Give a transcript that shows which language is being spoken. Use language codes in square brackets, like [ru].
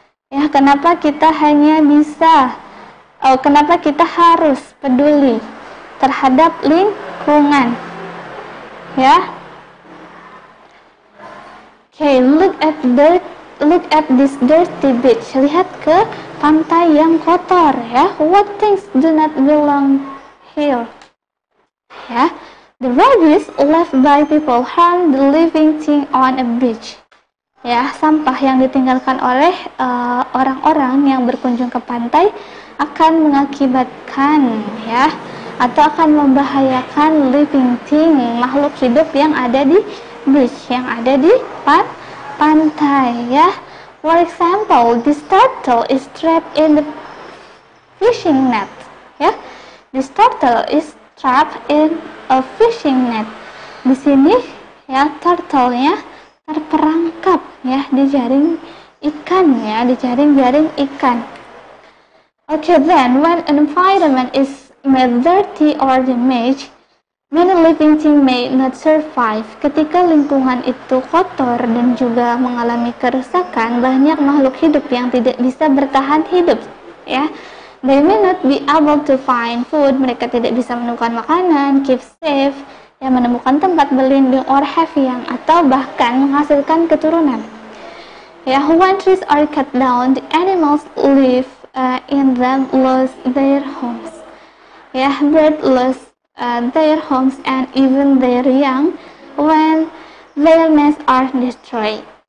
[id] Ya, kenapa kita hanya bisa? Kenapa kita harus peduli terhadap lingkungan? Ya. [en] Okay, look at this dirty beach. [id] Lihat ke pantai yang kotor, ya. [en] What things do not belong here? Ya. The rubbish left by people harm the living thing on a beach. [id] Ya, sampah yang ditinggalkan oleh orang-orang yang berkunjung ke pantai akan mengakibatkan, ya, atau akan membahayakan [en] living thing, [id] makhluk hidup yang ada di beach, yang ada di pantai, ya. [en] For example, this turtle is trapped in the fishing net. Ya, this turtle is trapped in a fishing net. [id] Di sini, ya, turtle-nya terperangkap, ya, di jaring ikan, ya, di jaring-jaring ikan. [en] Okay, then, when an environment is made dirty or damaged, many living things may not survive. [id] Ketika lingkungan itu kotor dan juga mengalami kerusakan, banyak makhluk hidup yang tidak bisa bertahan hidup, ya. [en] They may not be able to find food. [id] Mereka tidak bisa menemukan makanan, [en] keep safe, [id] ya, menemukan tempat berlindung, [en] or have young, [id] atau bahkan menghasilkan keturunan. [en] Ya, when trees are cut down, the animals live in them lose their homes. Ya, birds lose their homes and even their young when their nests are destroyed.